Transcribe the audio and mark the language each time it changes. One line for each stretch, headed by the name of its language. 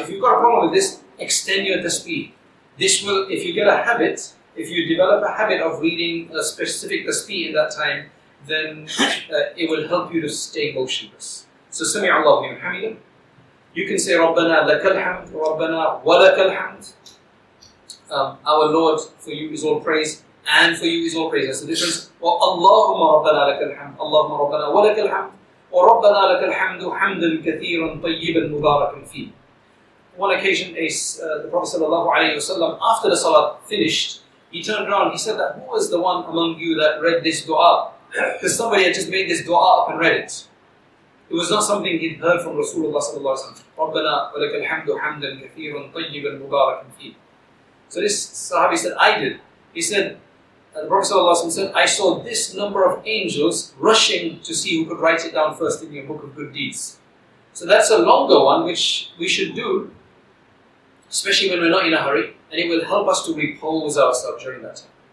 English: If you've got a problem with this, extend your tasbih. This will, if you get a habit, if you develop a habit of reading a specific tasbih in that time, then it will help you to stay motionless. So, Sami'a Allahu liman hamida. You can say, Rabbana lakal hamd, Rabbana wa lakal hamd. Our Lord, for you is all praise, and for you is all praise. That's the difference. Or Allahumma Rabbana lakal hamd, Allahumma Rabbana wa lakal hamd.
Arabic: وربنا لك الحمد حمدا كثيرا طيبا مباركا فيه.
English: One occasion, the Prophet sallallahu alaihi wasallam, after the salat finished, he turned around. He said that who was the one among you that read this du'a? Because somebody had just made this du'a up and read it. It was not something he'd heard from Rasulullah sallallahu alaihi wasallam.
Arabic: ربنا ولك الحمد حمدا كثيرا طيبا مباركا فيه.
English: So this Sahabi said, I did. He said, and the Prophet sallallahu alaihi wasallam said, I saw this number of angels rushing to see who could write it down first in your book of good deeds. So that's a longer one which we should do, especially when we're not in a hurry, and it will help us to repose ourselves during that time.